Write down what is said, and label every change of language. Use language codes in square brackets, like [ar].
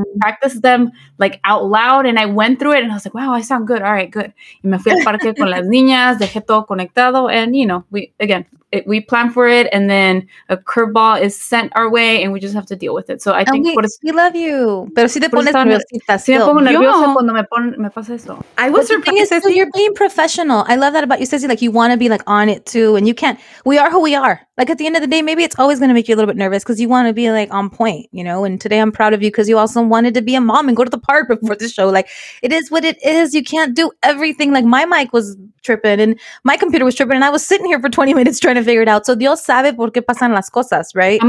[en] I practice them like out loud and I went through it and I was like, wow, I sound good. All right, good. [es] Y me fui al parque con las niñas, dejé todo conectado. [en] And you know, we, again, we plan for it, and then a curveball is sent our way, and we just have to deal with it. So I think we love you. [es] Pero si te pones nerviosita, si me pongo nerviosa cuando me pasa eso. [en] I was surprised. So you're being professional. I love that about you, Ceci. Like, you want to be like on it too, and you can't. We are who we are. Like, at the end of the day, maybe it's always going to make you a little bit nervous because you want to be like on point, you know. And today I'm proud of you because you also wanted to be a mom and go to the park before the show. Like, it is what it is. You can't do everything. Like, my mic was tripping and my computer was tripping, and I was sitting here for 20 minutes trying to figure it out. So [es] Dios sabe por qué pasan las cosas, [en] right?